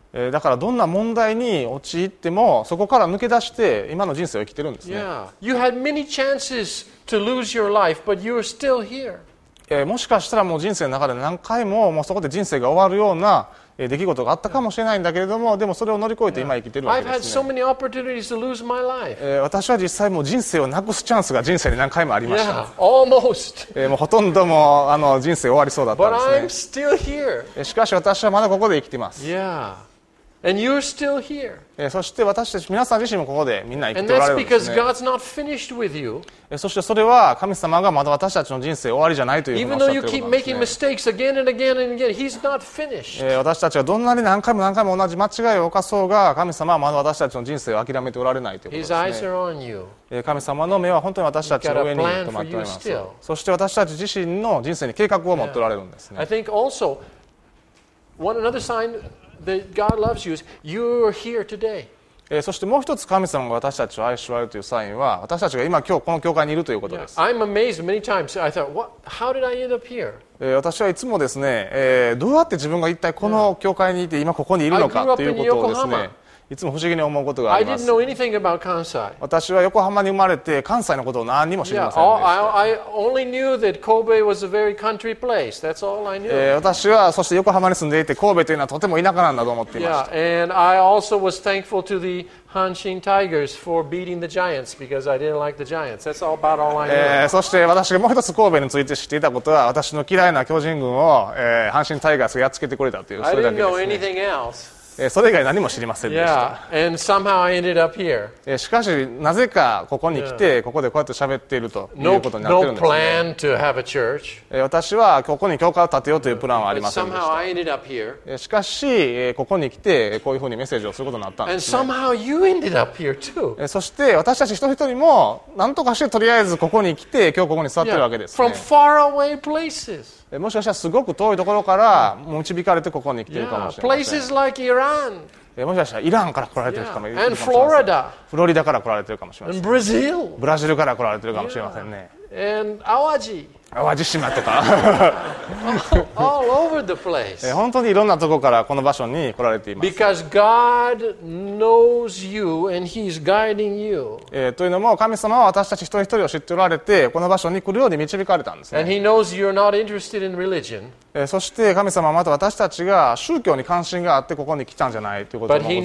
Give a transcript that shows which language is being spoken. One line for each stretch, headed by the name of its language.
Japanese: だからどんな問題に陥ってもそこから抜け出して今の人生を生きているんですね。
English: Yeah. You had many chances to lose your life, but you're still here.
Japanese: もしかしたらもう人生の中で何回 もうそこで人生が終わるような出来事があったかもしれないんだけれどもでもそれを乗り越えて今生きているわけですね。
English: to lose my life.
Japanese: 私は実際もう人生をなくすチャンスが人生に何回もありました。
English: yeah, almost.
Japanese: もうほとんどもあの人生終わりそうだったんですね。
English: But I'm still here.
Japanese: しかし私はまだここで生きています。
English: yeah. And you're still here.
Japanese: そして私たち皆さん自身もここでみんな生きておられるんですね。
English: And that's because God's not finished with you.
Japanese: そしてそれは神様がまだ私たちの人生終わりじゃないというふうにおっしゃっているんですね。
English: Even though you keep making mistakes again and again and again,
Japanese: 私たちはどんなに何回も何回も同じ間違いを犯そうが神様はまだ私たちの人生を諦めておられないということですね。
English: His eyes are on you.
Japanese: 神様の目は本当に私たちの上に止まっております。そして私たち自身の人生に計画を持っておられるんですね。
English: I think also one another signThat God loves you is you're here today.
Japanese: そしてもう一つ神様が私たちを愛しておられるというサインは私たちが今今日この教会にいるということです。
English: Yeah, I'm amazed many times. I thought, what? How did I end up here?
Japanese: 私はいつもですね、どうやって自分が一体この教会にいて今ここにいるのかということをですね、いつも不思議に思うことがあります。
English: I didn't know anything about Kansai.
Japanese: 私は横浜に生まれて関西のことを何にも知りませんでした。
English: Yeah, I only knew that Kobe was a very country place. That's all I knew.
Japanese: 私はそして横浜に住んでいて神戸というのはとても田舎なんだと思っていました。
English: Yeah, and I also was thankful to the Hanshin Tigers for beating the Giants because I didn't like the Giants. That's all about all I knew.
Japanese: そして私がもう一つ神戸について知っていたことは私の嫌いな巨人軍を、阪神タイガースがやっつけてくれたというそれだけですね。
English: I didn't know anything else.
Japanese: それ以外何も知りませんでした。
English: Yeah, and somehow I ended up here.
Japanese: しかしなぜかここに来て、
English: yeah.
Japanese: ここでこうやって喋っているということになっているんですね。
English: No plan to have a church.
Japanese: 私はここに教会を建てようというプランはありませんでした。
English: But somehow I ended up here.
Japanese: しかしここに来てこういうふうにメッセージをすることになったんですね。
English: And somehow you ended up here too.
Japanese: そして私たち一人一人も何とかしてとりあえずここに来て今日ここに座っているわけですね。
English: From far away places.
Japanese: もしかしたらすごく遠いところから導かれてここに来ているかもしれません。
English: yeah, places like Iran.
Japanese: もしかしたらイランから来られているかもしれません。
English: yeah, and Florida.
Japanese: フロリダから来られているかもしれません。
English: and Brazil.
Japanese: ブラジルから来られているかもしれませんね。
English: yeah. and 淡路
Japanese: 島とか
English: All over the place.
Japanese: 本当にいろんなところからこの場所に来られています。
English: Because God knows you and He's guiding you.
Japanese: というのも神様は私たち一人一人を知っておられてこの場所に来るように導かれたんですね。
English: And He knows you're not interested in religion.
Japanese: そして神様はまた私たちが宗教に関心があってここに来たんじゃないということもご存知です。